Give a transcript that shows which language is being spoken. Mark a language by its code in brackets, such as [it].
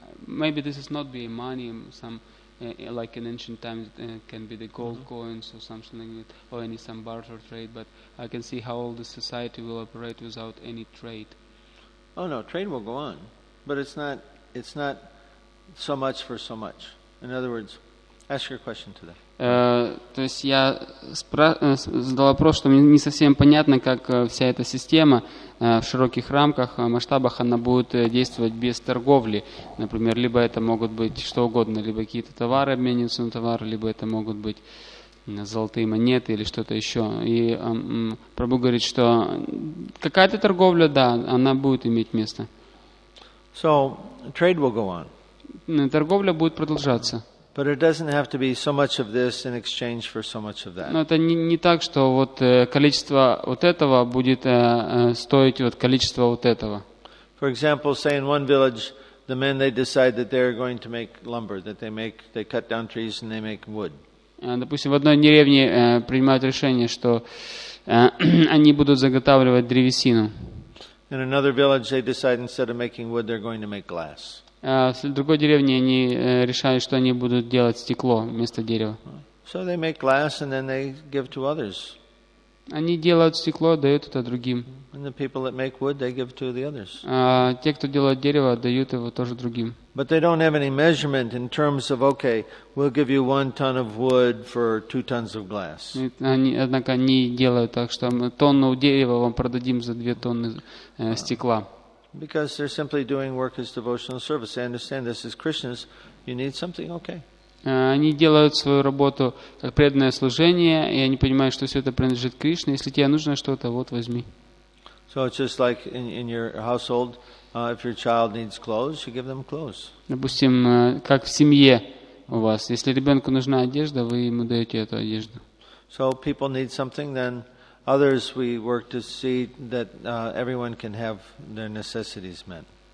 [en] Maybe this is not being money, some. Like in ancient times, it can be the gold coins or something like that, or any some barter trade. But I can see how all the society will operate without any trade. Oh no, trade will go on, but it's not so much for so much. In other words, ask your question today. [ru] То есть я задал вопрос, что мне не совсем понятно, как вся эта система в широких рамках, масштабах, она будет действовать без торговли. Например, либо это могут быть что угодно, либо какие-то товары обмениваются на товары, либо это могут быть золотые монеты или что-то еще. И Прабху говорит, что какая-то торговля, да, она будет иметь место. [en] So, trade will go on. [ru] Торговля будет продолжаться. [en] But it doesn't have to be so much of this in exchange for so much of that. [ru] Но это не так, что вот количество вот этого будет стоить вот количество вот этого. [en] For example, say in one village, the men they decide that they're going to make lumber, that they cut down trees and they make wood. [ru] Допустим, в одной деревне принимают решение, что они будут заготавливать древесину. [en] In another village, they decide instead of making wood, they're going to make glass. [ru] В другой деревне они решают, что они будут делать стекло вместо дерева. [en] So they make glass and then they give to others. [ru] Они делают стекло, дают это другим. [en] And the people that make wood, they give to the others. [ru] Те, кто делает дерево, дают его тоже другим. [en] But they don't have any measurement in terms of, okay, we'll give you one ton of wood for two tons of glass. [ru] Однако они делают так, что мы тонну дерева вам продадим за две тонны стекла. [en] Because they're simply doing work as devotional service. They understand this as Krishna's. You need something, okay? [ru] Они делают свою работу как преданное служение, и они понимают, что все это принадлежит Кришне. Если тебе нужно что-то, вот возьми. [en] So it's just like in your household, if your child needs clothes, you give them clothes. [ru] Допустим, как в семье у вас, если ребенку нужна одежда, вы ему даете эту одежду. [en] So people need something, then. Others, we work to see that everyone can have their necessities met.